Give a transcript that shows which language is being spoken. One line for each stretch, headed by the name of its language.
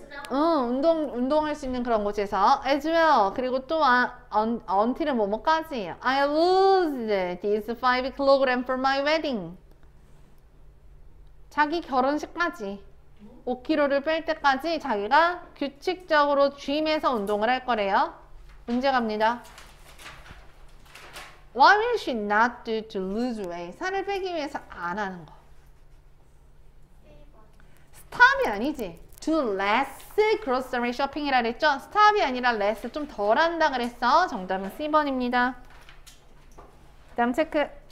Korean: 운동할 수 있는 그런 곳에서.
English: as well.
Korean: 그리고 또한 until은 뭐뭐까지예요.
English: I lose this 5 kg for my wedding.
Korean: 자기 결혼식까지. 5kg를 뺄 때까지 자기가 규칙적으로 gym에서 운동을 할 거래요. 문제 갑니다.
English: Why will she not do to lose weight?
Korean: 살을 빼기 위해서 안 하는 거. Stop이 아니지.
English: Do less grocery shopping이라 그랬죠?
Korean: Stop이 아니라 less 좀덜 한다 그랬어. 정답은 C번입니다. 다음 체크.